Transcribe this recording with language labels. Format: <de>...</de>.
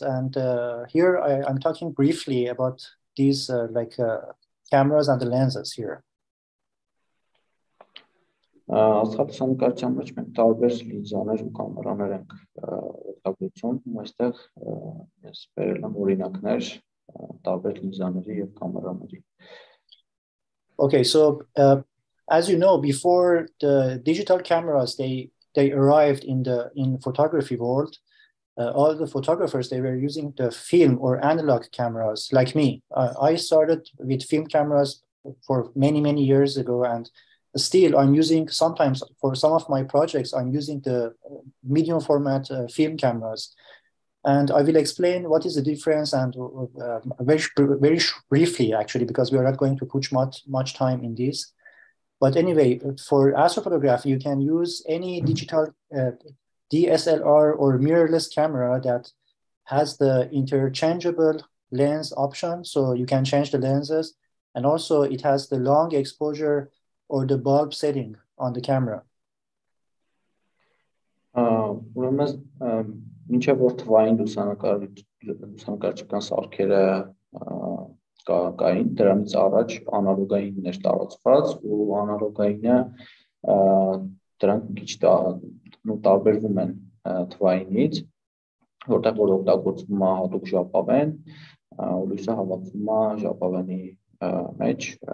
<en>And here I'm talking briefly about these cameras and the lenses here.</en> <hy>Սոփսոնի կարճամ մեջ մենք տարբեր լինզաներ ու կամերաներ ենք օգտագործում, այստեղ ես բերել եմ օրինակներ տարբեր լինզաների եւ կամերաների։</hy> <en>Okay, so as you know, before the digital cameras they arrived in photography world, all the photographers they were using the film or analog cameras like me. I started with film cameras for many many years ago and still, I'm using sometimes for some of my projects, I'm using the medium format film cameras. And I will explain what is the difference and very briefly, actually, because we are not going to put much time in this. But anyway, for astrophotography, you can use any digital DSLR or mirrorless camera that has the interchangeable lens option. So you can change the lenses. And also it has the long exposure or the bulb setting on the camera.</en> <hy>Ուրեմն մինչև որ թվային լուսանկարչական սարքերը կային, դրանից առաջ անալոգային էր տարածված ու անալոգայինը դրանք քիչ տարբերվում են թվայինից, որտեղ որ օգտագործվում է հատուկ ժապավեն, ու լույսը հավաքվում է ժապավենի մեջ,</hy>